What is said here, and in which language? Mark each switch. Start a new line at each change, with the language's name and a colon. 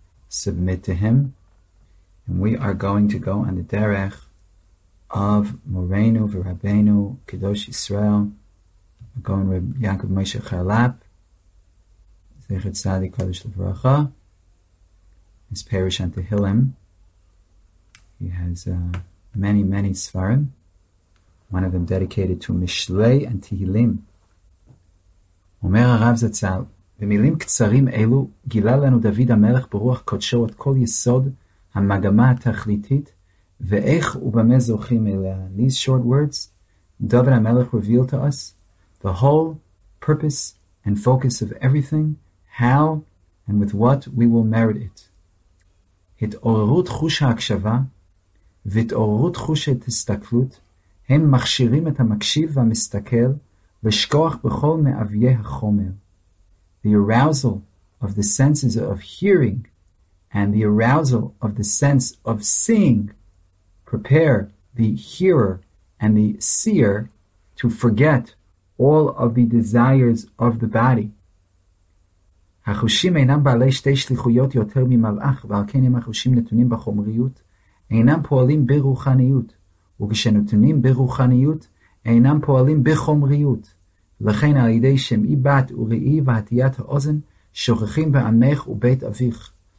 English: Submit to him. And we are going to go on the derech of Moreinu v'Rabbeinu Kedosh Yisrael, going with Yaakov Moshe Chalap, Zechet Tzadik Kodesh Levracha, his parish on Tehillim. He has many, many svarim. One of them dedicated to Mishlei and Tehillim.
Hebrew: Omer HaRav Zatzal, במילים קצרים אלו גילה לנו דוד המלך ברוח קודשו את כל יסוד המגמה התכליתית ואיך ובמה זוכים אליה.
English: These short words, דוד המלך revealed to us the whole purpose and focus of everything, how and with what we will merit it.
Hebrew: התעוררות חוש ההקשבה והתעוררות חוש ההסתכלות הם מכשירים את המקשיב והמסתכל לשכוח בכל מאביי החומר.
English: The arousal of the senses of hearing and the arousal of the sense of seeing prepare the hearer and the seer to forget all of the desires of the body.
Hebrew: החושים אינם בעלי שתי שליחויות יותר ממלאך, ועל כן אם החושים נתונים בחומריות, אינם פועלים ברוחניות, וכשנתונים ברוחניות, אינם פועלים בחומריות. לכן על ידי שם איבת וראי והטיית האוזן שוכחים בעמך ובית אביך.